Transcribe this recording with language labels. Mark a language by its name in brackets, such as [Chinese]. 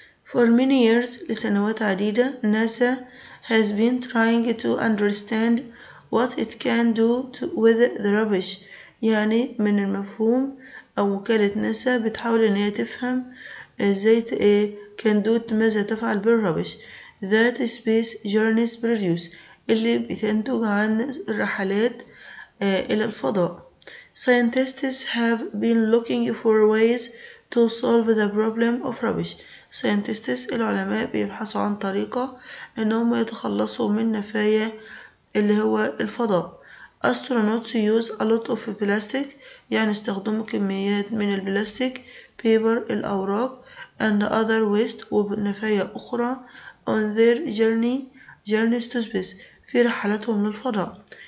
[English] For many years [Arabic] لسنوات عديدة [English] NASA has been trying to understand what it can do with the rubbish [Arabic] يعني من المفهوم أو وكالة ناسا بتحاول إن هي تفهم إزاي [English] can do [Arabic] ماذا تفعل بالربش [English] that space journeys produce [Arabic] اللي بتنتج عن الرحلات إلى الفضاء. [English] Scientists have been looking for ways to solve the problem of rubbish. [Arabic] ساينتستس العلماء بيبحثوا عن طريقة انهم يتخلصوا من نفايا اللي هو الفضاء. [English] astronauts use a lot of plastic، [Arabic] يعني استخدموا كميات من البلاستيك [English] paper [Arabic] الأوراق [English] and other waste [Arabic] ونفايا أخرى [English] on their journeys to space [Arabic] في رحلاتهم للفضاء.